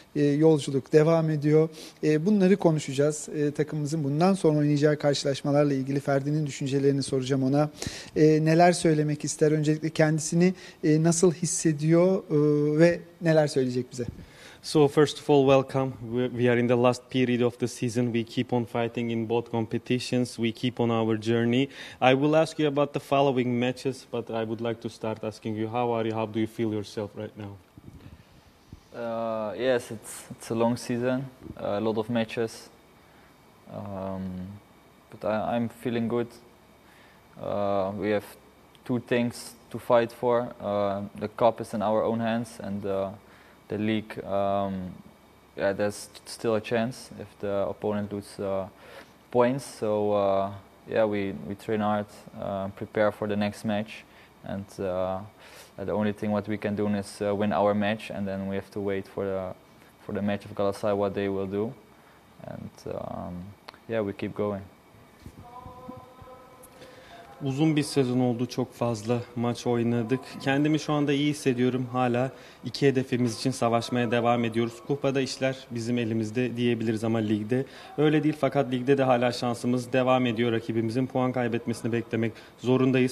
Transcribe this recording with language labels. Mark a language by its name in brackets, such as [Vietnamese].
[Turkish] Yolculuk devam ediyor. Bunları konuşacağız. Takımımızın bundan sonra oynayacağı karşılaşmalarla ilgili Ferdi'nin düşüncelerini soracağım ona. Neler söylemek ister? Öncelikle kendisini nasıl hissediyor ve neler söyleyecek bize? [English] So first of all, welcome. We are in the last period of the season. We keep on fighting in both competitions. We keep on our journey. I will ask you about the following matches, but I would like to start asking you, how are you? How do you feel yourself right now? Yes, it's a long season, a lot of matches, but I'm feeling good. We have two things to fight for. The cup is in our own hands, and the league, yeah, there's still a chance if the opponent loses points. So yeah, we train hard, prepare for the next match, and the only thing what we can do is win our match, and then we have to wait for the match of Galatasaray, what they will do, and yeah, we keep going. [Turkish] Uzun bir sezon oldu, çok fazla maç oynadık. Kendimi şu anda iyi hissediyorum. Hala iki hedefimiz için savaşmaya devam ediyoruz. Kupada işler bizim elimizde diyebiliriz ama ligde öyle değil. Fakat ligde de hala şansımız devam ediyor. Rakibimizin puan kaybetmesini beklemek zorundayız.